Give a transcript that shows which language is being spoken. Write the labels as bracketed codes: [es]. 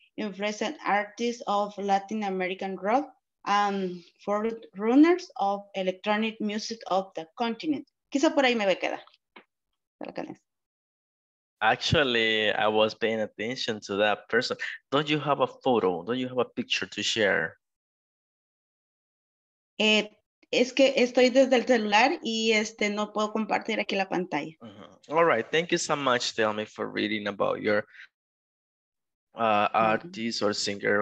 [en] Influenced artists of Latin American rock and forerunners of electronic music of the continent. [es] Quizá por ahí me voy a quedar. [en] Actually, I was paying attention to that person. Don't you have a photo? Don't you have a picture to share? [es] Es que estoy desde el celular y no puedo compartir aquí la pantalla. [en] Uh-huh. All right. Thank you so much, Delmi, for reading about your artist or singer.